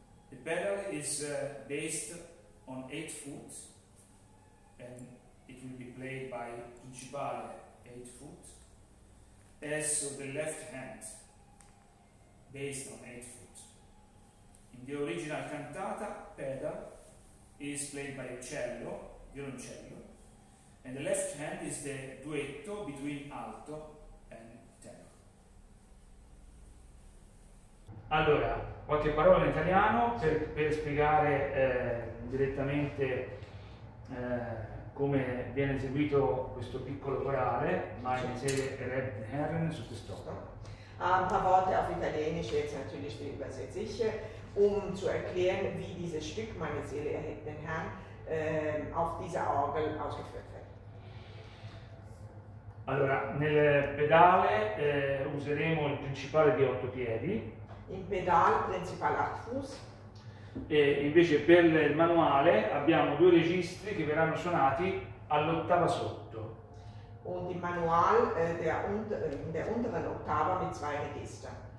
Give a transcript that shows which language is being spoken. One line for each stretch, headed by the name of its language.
English: The pedal is based on 8 foot and it will be played by principale, 8 foot, as of the left hand, based on 8 foot. In the original cantata, pedal is played by cello, violoncello, and the left hand is the duetto between alto and tenor.
Italian: Allora, qualche parola in italiano per spiegare direttamente come viene eseguito questo piccolo corale, ma in serie Red Herren su quest'opera.
German: Ein paar Worte auf Italienisch, jetzt natürlich die Übersetzer, um zu erklären, wie dieses Stück, meine Seele erhebt den Herrn, auf dieser Orgel ausgeführt wird.
Italian: Allora, nel pedale useremo il principale di 8 piedi.
German: Im Pedal principale 8 Fuß.
Italian: E invece per il manuale abbiamo 2 registri che verranno suonati all'ottava sotto.
German: Und im Manual der unteren Ottava mit 2 Register.